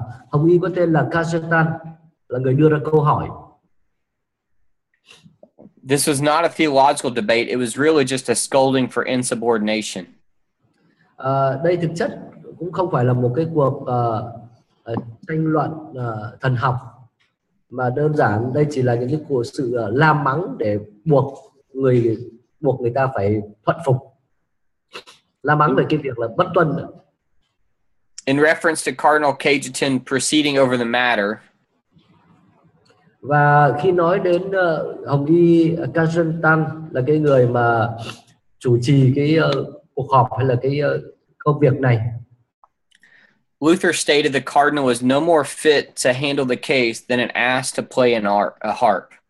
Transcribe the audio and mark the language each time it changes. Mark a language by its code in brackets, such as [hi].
[vi] Hồng Y có tên là Cajetan, là người đưa ra câu hỏi. [en] This was not a theological debate. It was really just a scolding for insubordination. [vi] Đây thực chất cũng không phải là một cái cuộc tranh luận thần học, mà đơn giản đây chỉ là những cái cuộc sự la mắng để buộc người ta phải thuận phục. La mắng về cái việc là bất tuân. [en] In reference to Cardinal Cajetan proceeding over the matter. [vi] Và khi nói đến Hồng Y Cajetan là cái người mà chủ trì cái cuộc họp hay là cái công việc này. [en] Luther stated the cardinal was no more fit to handle the case than an ass to play a harp.